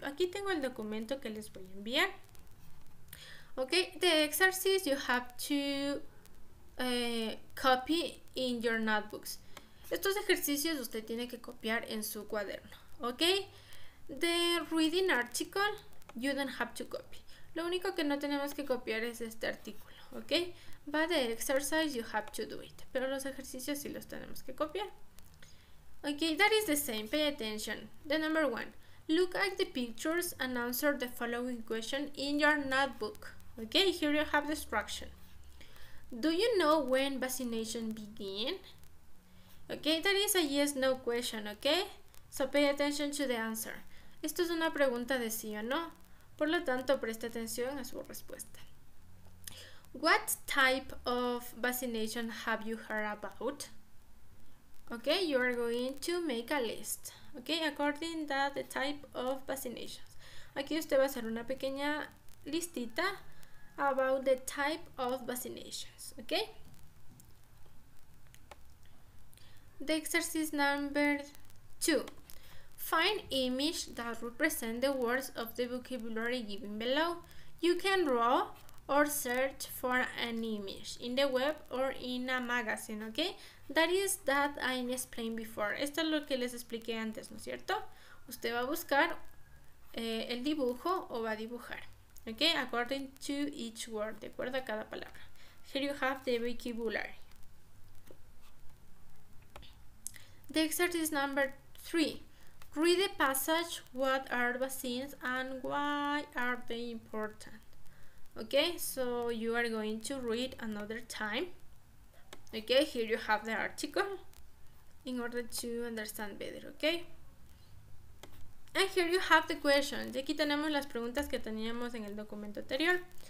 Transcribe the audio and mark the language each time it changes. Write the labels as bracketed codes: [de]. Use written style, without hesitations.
[es] Aquí tengo el documento que les voy a enviar. Okay? [en] The exercise you have to copy in your notebooks. [es] Estos ejercicios usted tiene que copiar en su cuaderno. [en] Okay, the reading article, you don't have to copy. [es] Lo único que no tenemos que copiar es este artículo, okay? [en] But the exercise, you have to do it. [es] Pero los ejercicios sí los tenemos que copiar. [en] Okay, that is the same, pay attention. The number one, look at the pictures and answer the following question in your notebook. Okay, here you have the instruction. Do you know when vaccination begin? Okay, that is a yes, no question, okay? So pay attention to the answer. [es] Esto es una pregunta de sí o no. Por lo tanto, preste atención a su respuesta. [en] What type of vaccination have you heard about? Okay, you are going to make a list. Okay, according to the type of vaccinations. [es] Aquí usted va a hacer una pequeña listita [en] about the type of vaccinations. Okay? The exercise number two. Find image that represent the words of the vocabulary given below. You can draw or search for an image in the web or in a magazine, okay? That is that I explained before. [es] Esto es lo que les expliqué antes, ¿no es cierto? Usted va a buscar el dibujo o va a dibujar, okay? [en] According to each word, [es] de acuerdo a cada palabra. [en] Here you have the vocabulary. The exercise number 3. Read the passage. What are the scenes and why are they important? Okay, so you are going to read another time. Okay, here you have the article in order to understand better, okay? And here you have the question. [es] Y aquí tenemos las preguntas que teníamos en el documento anterior.